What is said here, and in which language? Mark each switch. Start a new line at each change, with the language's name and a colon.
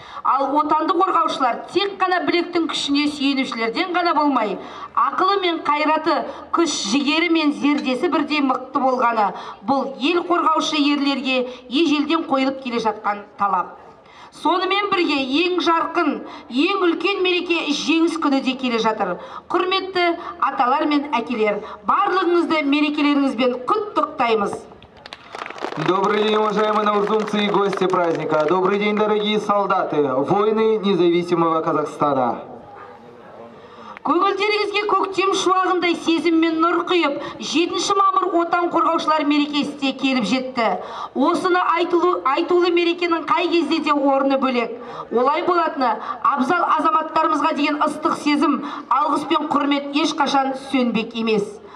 Kazakh: Ал отанды қорғаушылар тек қана білектің күшіне сүйенушілерден ғана болмай, ақылы мен қайраты, күш жігері мен зердесі бірдей мықты болғаны бұл ел қорғаушы ерлерге ежелден қойылып келе жатқан талап. Сонымен бірге ең жарқын, ең үлкен мереке жеңіс күні де келе жатыр. Құрметті аталар мен әкелер, барлығыңызды мерекелеріңізбен құттықтаймыз.
Russian: Добрый день, уважаемые наурзумцы и гости праздника. Добрый день, дорогие солдаты, воины независимого Казахстана.
Kazakh: Көңілдеріңізге көктем шуағындай сезіммен нұр құйып, 7 мамыр отан қорғаушылар мерекесі де келіп жетті. Осыны айтулы мерекенің қай кезде де орны бөлек. Олай болатыны, абзал азаматтарымызға деген ыстық сезім, алғыс пен құрмет ешқашан сөнбек емес.